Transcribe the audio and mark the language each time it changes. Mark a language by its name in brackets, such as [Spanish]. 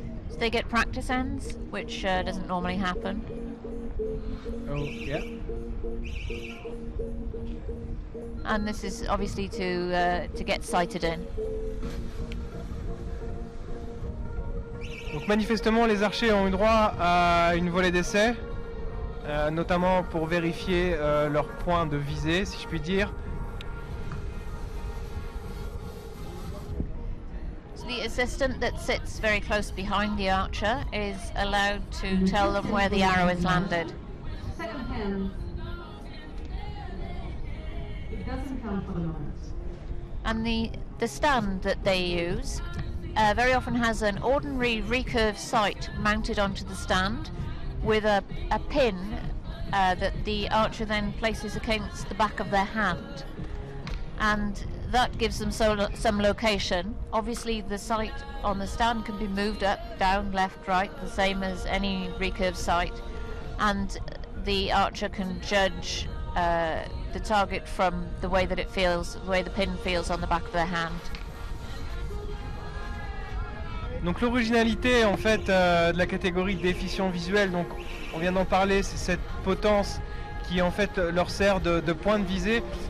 [English] So they get practice ends, which doesn't normally happen. Oh, yeah. And this is obviously to get sighted in. [French] Donc manifestement, les archers ont eu droit à une volée d'essai. Notamment pour vérifier leur point de visée, si je puis dire. [English] So the assistant that sits very close behind the archer is allowed to tell them where the arrow is landed. Second hand. It doesn't count for the moment. And the stand that they use very often has an ordinary recurve sight mounted onto the stand with a pin that the archer then places against the back of their hand. And that gives them some location. Obviously the sight on the stand can be moved up, down, left, right, the same as any recurve sight. And the archer can judge the target from the way that it feels, the way the pin feels on the back of their hand. [French] Donc l'originalité en fait de la catégorie déficient visuel, donc on vient d'en parler, c'est cette potence qui en fait leur sert de point de visée.